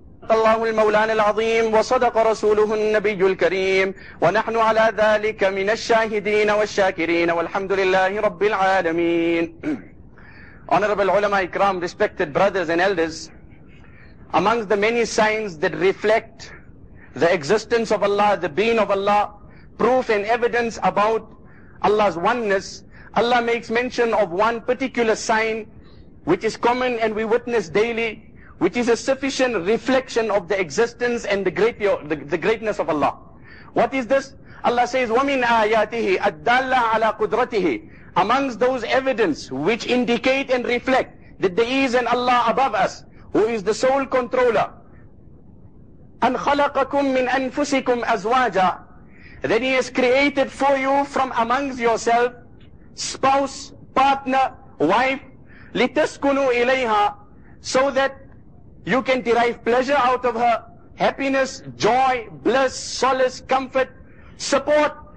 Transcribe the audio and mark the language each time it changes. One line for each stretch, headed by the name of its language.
Arabic: الله المولان العظيم وصدق رسوله النبي الكريم ونحن على ذلك من الشاهدين والشاكرين والحمد لله رب العالمين.
English: Honorable ulama ikram, respected brothers and elders, among the many signs that reflect the existence of Allah, the being of Allah, proof and evidence about Allah's oneness, Allah makes mention of one particular sign which is common and we witness daily, which is a sufficient reflection of the existence and the greatness of Allah. What is this? Allah says,
Arabic: وَمِنْ آيَاتِهِ أَدَّلَّ عَلَىٰ قُدْرَتِهِ.
English: Amongst those evidence which indicate and reflect that there is an Allah above us, who is the sole controller.
Arabic: أَنْ خَلَقَكُمْ مِنْ أَنفُسِكُمْ أَزْوَاجًا.
English: Then He has created for you from amongst yourself, spouse, partner, wife,
Arabic: لِتَسْكُنُوا إِلَيْهَا,
English: so that you can derive pleasure out of her, happiness, joy, bliss, solace, comfort, support.